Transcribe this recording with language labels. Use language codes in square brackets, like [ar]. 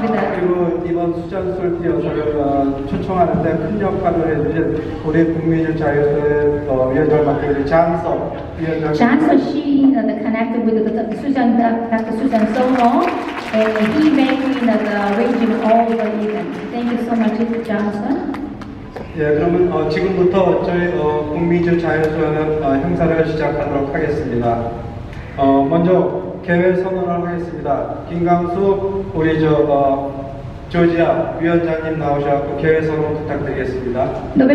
[ko] 그리고 이번 수잔 솔티 여사를 초청하는데 큰 역할을 해주신 우리 국민의 자유소의 위원장을 맡게 된 장석 위원장. [en] 장석 씨, the connected with the Sujan, Dr. Sujan so long. And he made me the arranging all the events. Thank you so much, Johnson. [ko] 예, 그러면 지금부터 저희 국민주 자유소연합 행사를 시작하도록 하겠습니다. 먼저 개회 선언을 하겠습니다. 김강수 우리 조지아 위원장님 나오셔서 개회 선언 부탁드리겠습니다.